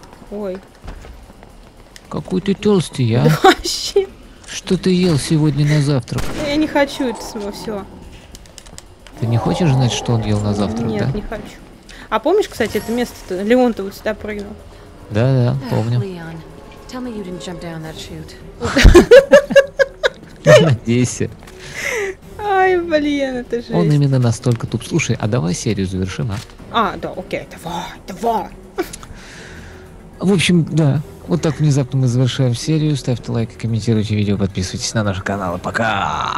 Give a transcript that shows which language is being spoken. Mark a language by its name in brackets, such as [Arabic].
[Russian] Ой. Какой ты толстый, а? Да вообще. Что ты ел сегодня на завтрак? Я не хочу это все. Ты не хочешь знать, что он ел на завтрак, нет, да? Нет, не хочу. А помнишь, кстати, это место-то? Леон-то вот сюда прыгнул. Да-да, помню. [English] Леон, tell me you didn't jump down that chute. [Russian] Надейся. Ай, блин, это жесть. Он именно настолько туп. Слушай, а давай серию завершим, а? А, да, окей, давай, давай. В общем, да. Вот так внезапно мы завершаем серию. Ставьте лайки, комментируйте видео, подписывайтесь на наш канал. Пока!